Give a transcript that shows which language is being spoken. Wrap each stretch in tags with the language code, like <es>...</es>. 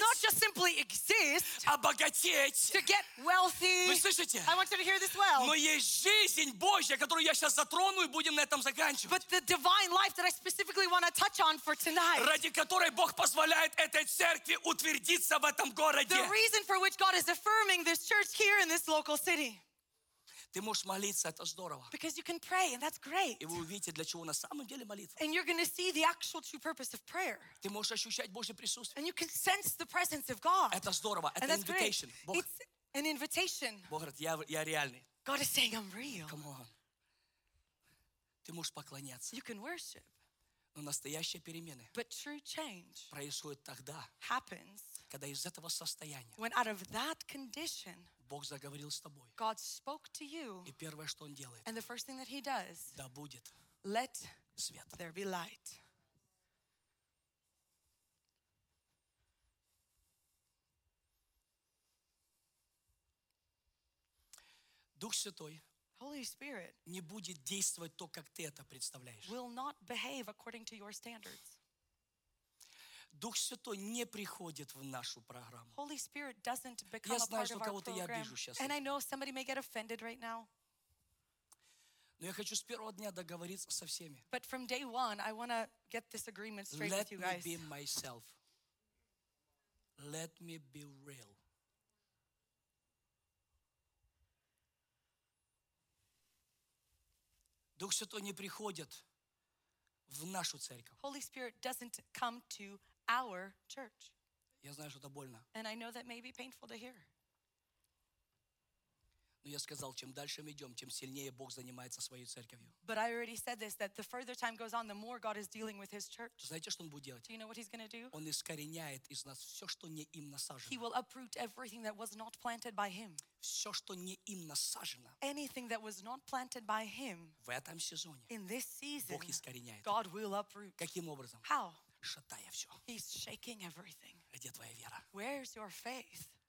<en>It's not just simply exist.</en> <ru>Обогатеть.</ru> <en>To get wealthy.</en> <ru>Вы слышите?</ru> <en>I want you to hear this well.</en> <ru>Но есть жизнь Божья, которую я сейчас затрону и будем на этом заканчивать.</ru> <en>But the divine life that I specifically want to touch on for tonight.</en> <ru>Ради которой Бог позволяет этой церкви утвердиться в этом городе.</ru> <en>The reason for which God is affirming this church here in this local city.</en> <ru>Ты можешь молиться, это здорово.</ru> <en>Because you can pray and that's great.</en> <ru>И вы увидите, для чего на самом деле молитва.</ru> <en>And you're going to see the actual true purpose of prayer.</en> <ru>Ты можешь ощущать Божье присутствие.</ru> <en>And you can sense the presence of God.</en> <ru>Это здорово, это invitation.</ru> <en>It's an invitation.</en> <ru>Бог говорит, я реальный.</ru> <en>God is saying, I'm real. Come on.</en> <ru>Ты можешь поклоняться.</ru> <en>You can worship.</en> <ru>Но настоящие перемены происходят тогда, когда из этого состояния Бог заговорил с тобой.</ru> <en>God spoke to you,</en> <ru>и первое, что Он делает,</ru> <en>and the first thing that he does,</en> <ru>да будет</ru> <en>let</en> <ru>свет.</ru> <en>There be light.</en> <ru>Дух Святой</ru> <en>Holy Spirit</en> <ru>не будет действовать то, как ты это представляешь.</ru> <en>Will not behave according to your standards.</en> <ru>Дух Святой не приходит в нашу программу.</ru> <en>Holy Spirit doesn't become a part of our program.</en> <ru>Я знаю, что кого-то я обижу сейчас.</ru> <en>And I know somebody may get offended right now.</en> <ru>Но я хочу с первого дня договориться со всеми.</ru> <en>But from day one, I want to get this agreement straight Let with you guys. Let me be myself. Let me be real.</en> <ru>Дух Святой не приходит в нашу церковь.</ru> <en>Holy Spirit doesn't come to our church.</en> <ru>Я знаю, что это больно.</ru> <en>And I know that may be painful to hear.</en> <ru>Но я сказал, чем дальше мы идем, тем сильнее Бог занимается своей церковью.</ru> <en>But I already said this, that the further time goes on, the more God is dealing with his church.</en> <ru>Знаете, что он будет делать?</ru> <en>Do you know what he's going to do?</en> <ru>Он искореняет из нас все, что не им насажено.</ru> <en>He will uproot everything that was not planted by him.</en> <ru>Все, что не им насажено.</ru> <en>Anything that was not planted by him.</en> <ru>В этом сезоне.</ru> <en>In this season.</en> <ru>Бог искореняет.</ru> <en>God will uproot.</en> <ru>Каким образом?</ru> <en>How?</en> <ru>Шатая все.</ru> <en>He's shaking everything.</en> <ru>Где твоя вера?</ru> <en>Where's your faith?</en>